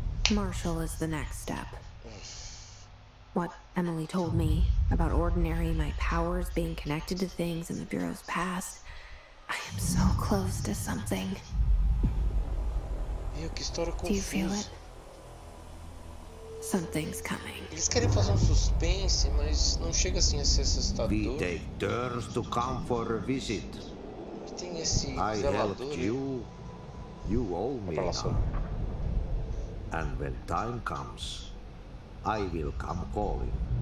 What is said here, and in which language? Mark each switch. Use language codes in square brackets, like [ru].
[en] Marshall is the next step. What Emily told me about ordinary my powers being connected to things in the Bureau's past. I am so close to something. [pt] Meu, que história confusa. [en] Do you feel it? Something's coming. [pt] Eles querem fazer suspense, mas não chega assim a ser assustador. [en] We take turns to come for a visit. [pt] Tem esse [en] I helped you. You owe me. And when time comes, I will come calling.